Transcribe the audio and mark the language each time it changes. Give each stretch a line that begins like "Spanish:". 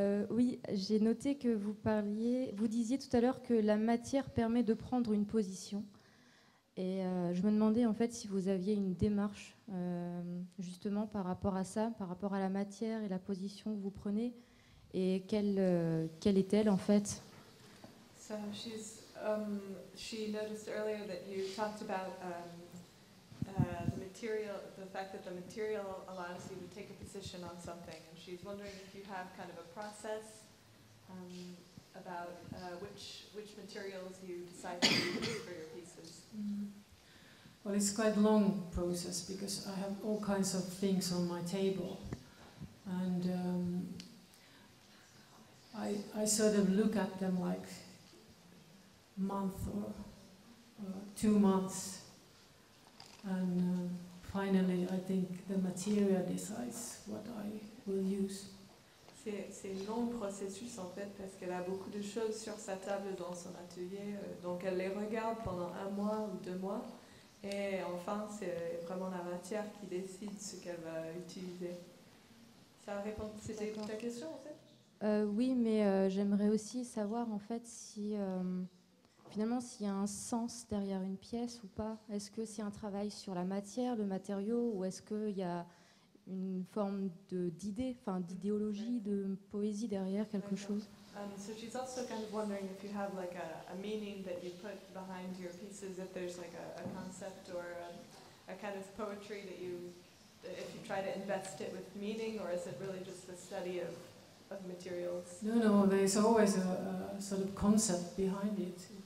French: Oui, j'ai noté que vous disiez tout à l'heure que la matière permet de prendre une position. Et je me demandais en fait si vous aviez une démarche justement par rapport à ça, par rapport à la matière et la position que vous prenez, et quelle est-elle en fait.
English: So she's, she noticed earlier that you talked about the material, the fact that the material allows you to take a position on something, and she's wondering if you have kind of a process about which materials you decide to use for your pieces. Mm-hmm. Well, it's quite a long process because I have all kinds of things on my table, and I sort of look at them like month or 2 months. And finally, I think the material decides what I will use.
French: C'est un long processus en fait parce qu'elle a beaucoup de choses sur sa table dans son atelier, donc elle les regarde pendant un mois ou deux mois, et enfin c'est vraiment la matière qui décide ce qu'elle va utiliser. Ça répond, c'était ta question en fait. Oui, mais j'aimerais aussi savoir en fait si. Finalement, s'il y a un sens derrière une pièce ou pas, est-ce que c'est un travail sur la matière, le matériau, ou est-ce qu'il y a une forme d'idée, enfin d'idéologie, de poésie derrière quelque chose?
English: So she's also kind of wondering if you have like a meaning that you put behind your pieces, if there's like a concept or a kind of poetry that you, if you try to invest it with meaning, or is it really just the study of materials? No, there is always a sort of concept behind it.